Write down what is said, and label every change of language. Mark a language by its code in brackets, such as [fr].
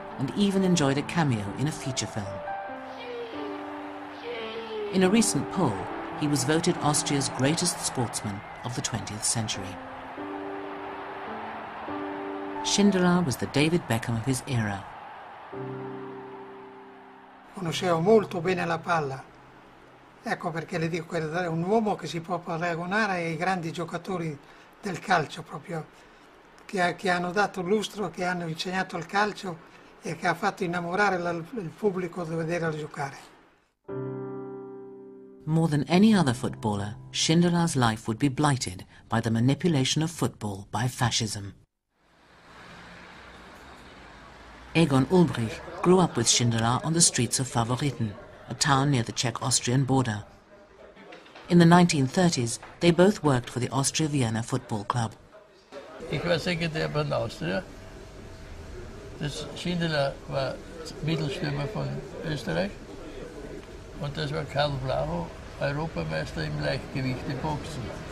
[en] and even enjoyed a cameo in a feature film. In a recent poll, he was voted Austria's greatest sportsman of the 20th century. Schindler was the David Beckham of his era. [it] Conoscevo molto bene la palla. Ecco perché le dico che è un uomo che si può paragonare ai grandi giocatori del calcio proprio, che hanno dato lustro, che hanno insegnato il calcio e che ha fatto innamorare il pubblico di vederlo giocare. [en] More than any other footballer, Schindler's life would be blighted by the manipulation of football by fascism. Egon Ulbricht grew up with Schindler on the streets of Favoriten, a town near the Czech-Austrian border. In the 1930s, they both worked for the Austria-Vienna football club. [de] Ich war Sekretär bei der Austria. Das Schindler war Mittelstürmer von Österreich. Und das war Karl Blaho, Europameister im Leichtgewicht im Boxen.